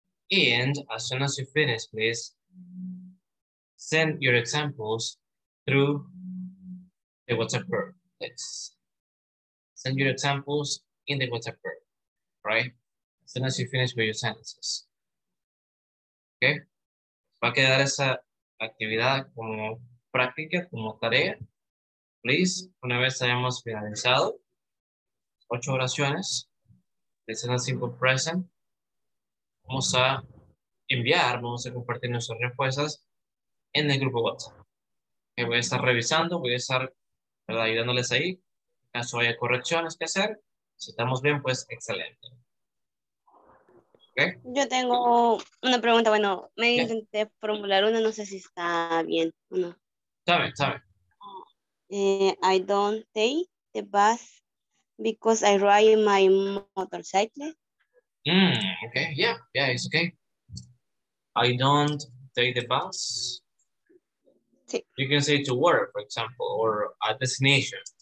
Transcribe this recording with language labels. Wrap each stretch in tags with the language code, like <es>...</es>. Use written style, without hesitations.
<en>And as soon as you finish, please send your examples through the WhatsApp group. Let's send your examples in the WhatsApp group, right? As soon as you finish with your sentences. Okay?</en> <es>Va a quedar esa actividad como práctica, como tarea. Please, una vez hayamos finalizado, 8 oraciones,</es> <en>listen a simple present.</en> <es>Vamos a enviar, vamos a compartir nuestras respuestas en el grupo WhatsApp. Voy a estar revisando, voy a estar ayudándoles ahí. En caso haya correcciones que hacer, si estamos bien, pues excelente. Okay. Yo tengo una pregunta. Bueno, me intenté formular una. No sé si está bien o no. Sabe.</es> <en>I don't take the bus because I ride my motorcycle. Okay, it's okay. I don't take the bus.</en> <es>Sí.</es> <en>You can say to work, for example, or a destination.</en>